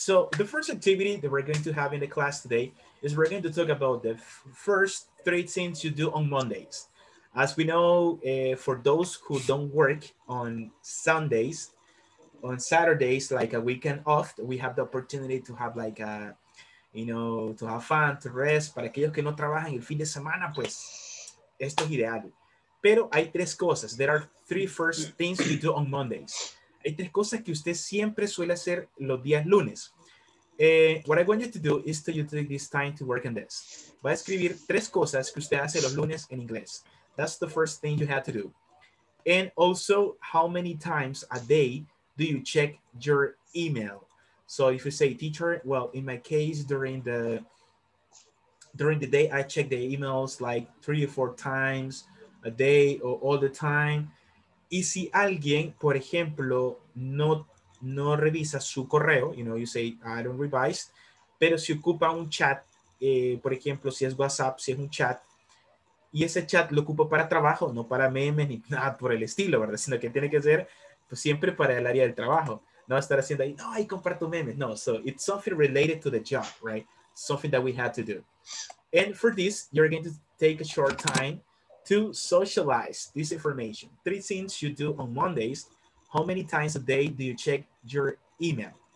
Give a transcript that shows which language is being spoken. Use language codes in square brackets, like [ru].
[en] So the first activity that we're going to have in the class today is we're going to talk about the first three things you do on Mondays. As we know, for those who don't work on Sundays, on Saturdays, like a weekend off, we have the opportunity to have like a, you know, to have fun, to rest. [es] Para aquellos que no trabajan el fin de semana, pues esto es ideal. Pero hay tres cosas. [en] There are three first things you do on Mondays. [es] Hay tres cosas que usted siempre suele hacer los días lunes. [en] What I want you to do is to you take this time to work on this. [es] Va a escribir tres cosas que usted hace los lunes en inglés. [en] That's the first thing you have to do. And also, how many times a day do you check your email? So if you say, teacher, well, in my case, during the day, I check the emails like 3 or 4 times a day or all the time. [es] Y si alguien, por ejemplo, no revisa su correo, [en] you know, you say, I don't revise, [es] pero si ocupa un chat, por ejemplo, si es WhatsApp, si es un chat, y ese chat lo ocupa para trabajo, no para memes ni nada por el estilo, ¿verdad? Sino que tiene que ser pues, siempre para el área del trabajo. No va a estar haciendo ahí, no, ahí comparto memes. [en] No, so it's something related to the job, right? Something that we have to do. And for this, you're going to take a short time to socialize this information. Three things you do on Mondays. How many times a day do you check your email?